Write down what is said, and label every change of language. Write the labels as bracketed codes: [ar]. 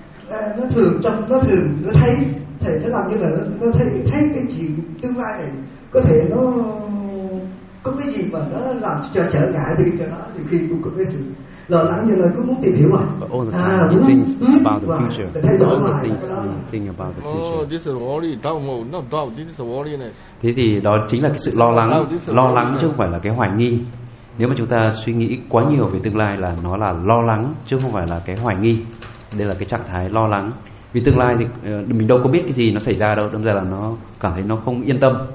[vi] nó thường thấy thầy nó làm như là nó thấy cái chuyện tương lai này. có thể nó có cái gì mà nó làm cho trở ngại đi cho nó, nhiều khi cũng có cái sự lo lắng như là cứ muốn tìm hiểu mà. [en] All the time, you think about the future. All the things you think about the future. Oh, this is worry, doubt, no doubt, this is worryness. [vi] Thế thì đó chính là cái sự lo lắng, lo lắng chứ không phải là cái hoài nghi. Nếu mà chúng ta suy nghĩ quá nhiều về tương lai là nó là lo lắng chứ không phải là cái hoài nghi. Đây là cái trạng thái lo lắng. Vì tương lai thì mình đâu có biết cái gì nó xảy ra đâu, đâm ra là nó cảm thấy nó không yên tâm.